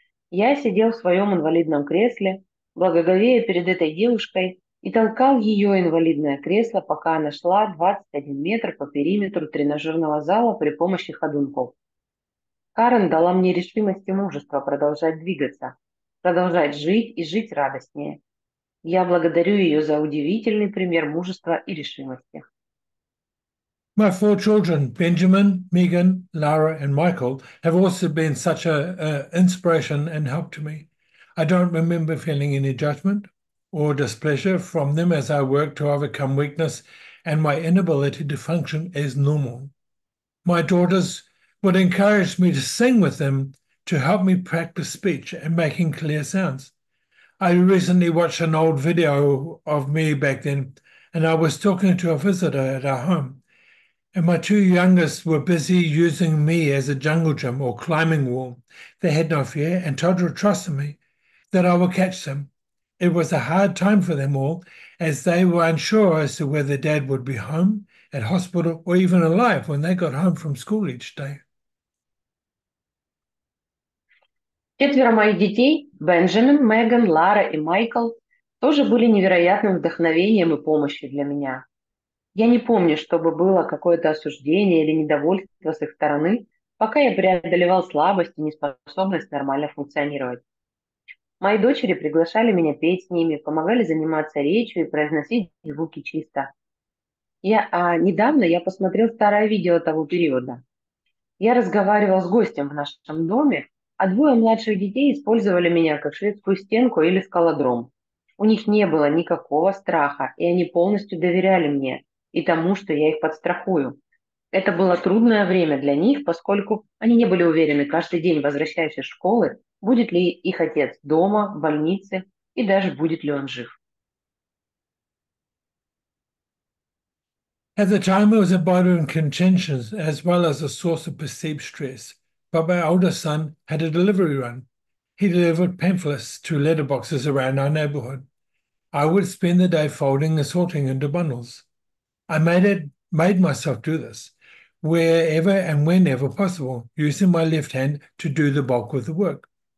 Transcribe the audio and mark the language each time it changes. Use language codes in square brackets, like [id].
[ru] Я сидел в своем инвалидном кресле, благоговея перед этой девушкой, и толкал ее инвалидное кресло, пока она шла 21 метр по периметру тренажерного зала при помощи ходунков. Карен дала мне решимость и мужество продолжать двигаться, продолжать жить и жить радостнее. Я благодарю ее за удивительный пример мужества и решимости. [en] My four children, Benjamin, Megan, Lara, and Michael, have also been such an inspiration and help to me. I don't remember feeling any judgment or displeasure from them as I worked to overcome weakness and my inability to function as normal. My daughters would encourage me to sing with them to help me practice speech and making clear sounds. I recently watched an old video of me back then, and I was talking to a visitor at our home. And my two youngest were busy using me as a jungle gym or climbing wall. They had no fear and total trust in me that I would catch them. It was a hard time for them all, as they were unsure as to whether dad would be home, at hospital, or even alive when they got home from school each day. [ru] Четверо моих детей, Бенджамин, Меган, Лара и Майкл, тоже были невероятным вдохновением и помощью для меня. Я не помню, чтобы было какое-то осуждение или недовольство с их стороны, пока я преодолевал слабость и неспособность нормально функционировать. Мои дочери приглашали меня петь с ними, помогали заниматься речью и произносить звуки чисто. Недавно я посмотрел старое видео того периода. Я разговаривал с гостем в нашем доме, а двое младших детей использовали меня как шведскую стенку или скалодром. У них не было никакого страха, и они полностью доверяли мне и тому, что я их подстрахую. Это было трудное время для них, поскольку они не были уверены каждый день, возвращаясь из школы, будет ли их отец дома, в больнице, и даже будет ли он жив. [en] At the time, it was a bother and contention, as well as a source of perceived stress. But my oldest son had a delivery run. He delivered pamphlets to letterboxes around our neighborhood. I would spend the day folding and sorting into bundles. I made myself do this wherever and whenever possible, using my left hand to do the bulk of the work.